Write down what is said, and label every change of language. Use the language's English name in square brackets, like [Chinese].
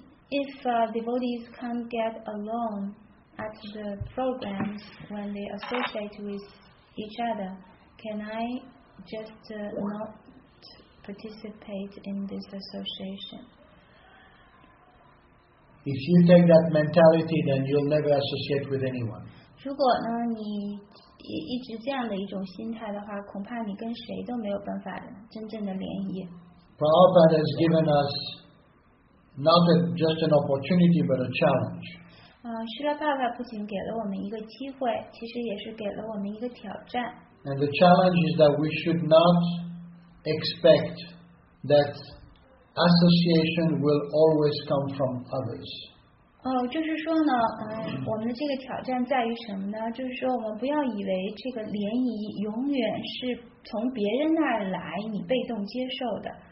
[English] If devotees can't get along at the programs when they associate with each other, can I just not participate in this association? If you take that mentality, then you'll never associate with anyone. [Chinese] 如果呢，你一直这样的一种心态的话，恐怕你跟谁都没有办法真正的联谊。 [English] Prabhupada has given us not just an opportunity but a challenge. [Chinese] 释迦牟尼佛不仅给了我们一个机会，其实也是给了我们一个挑战。 [English] And the challenge is that we should not expect that association will always come from others. [Chinese] 就是说呢，我们的这个挑战在于什么呢？就是说，我们不要以为这个联谊永远是从别人那儿来，你被动接受的。